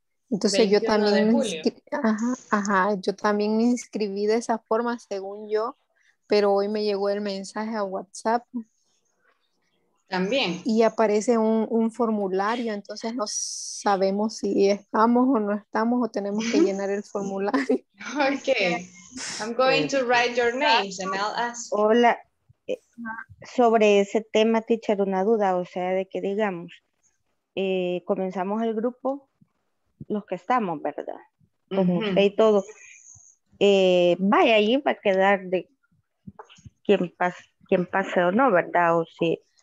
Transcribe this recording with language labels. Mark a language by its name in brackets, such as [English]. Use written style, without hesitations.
[Spanish] Entonces yo también me inscribí de esa forma, según yo, pero hoy me llegó el mensaje a WhatsApp. También. Y aparece un formulario, entonces no sabemos si estamos o no estamos o tenemos que llenar el formulario. Okay. [English] I'm going to write your names and I'll ask. [Spanish] Hola. Sobre ese tema, teacher, una duda, o sea, de que digamos, comenzamos el grupo. Los que estamos, ¿verdad? Y todo. vaya, ahí va a quedar de quién pase o no, ¿verdad? O sí.